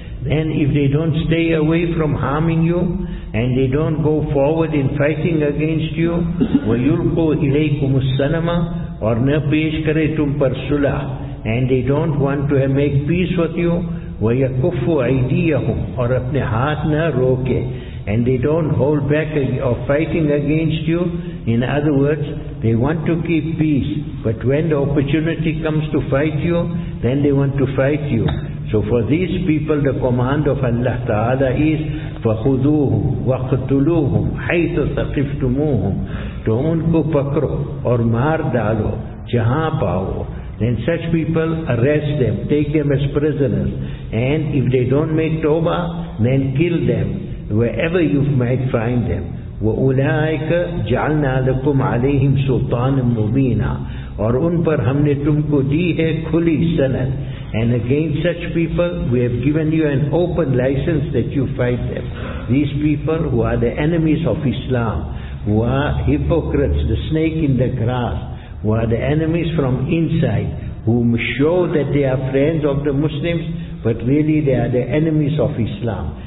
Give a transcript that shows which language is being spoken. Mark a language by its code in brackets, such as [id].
[en] Then if they don't stay away from harming you and they don't go forward in fighting against you, [ar] وَيُلْقُوا إِلَيْكُمُ السَّلَمَ [ur] اور نہ پیش کرے تم پر صلح, [en] and they don't want to make peace with you, [ar] وَيَكُفُوا عَيْدِيَهُمْ [ur] اور اپنے ہاتھ نہ روکے, [en] and they don't hold back of fighting against you. In other words, they want to keep peace, but when the opportunity comes to fight you, then they want to fight you. So for these people, the command of Allah Ta'ala is, [ar] فَخُذُوهُمْ وَقْتُلُوهُمْ حَيْثُ ثَقِفْتُمُوهُمْ. [ur] تو ان کو پکرو اور مار ڈالو جہاں پاؤو. [en] Then such people, arrest them, take them as prisoners. And if they don't make tawbah, then kill them wherever you might find them. [ar] وَأُولَٰئِكَ جَعَلْنَا لَكُمْ عَلَيْهِمْ سُلْطَانٍ مُبِينًا, [ur] اور ان پر ہم نے تم کو دی ہے کھلی سند. [en] And against such people, we have given you an open license that you fight them. These people who are the enemies of Islam, who are hypocrites, the snake in the grass, who are the enemies from inside, whom show that they are friends of the Muslims, but really they are the enemies of Islam.